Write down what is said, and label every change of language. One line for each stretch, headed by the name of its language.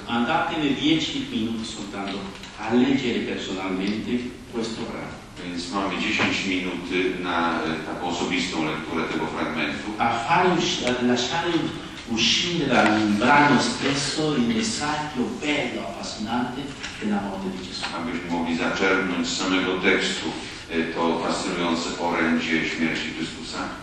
Italian: Andatene 10 minuti soltanto a leggere personalmente questo brano.
Polish: Więc mamy 10 minut na taką osobistą lekturę tego fragmentu.
Italian: A fare uscire, lasciare uscire dal brano stesso il messaggio bello, affascinante della morte di Gesù.
Polish: Abyśmy mogli zaczerpnąć z samego tekstu to fascynujące orędzie śmierci Chrystusa.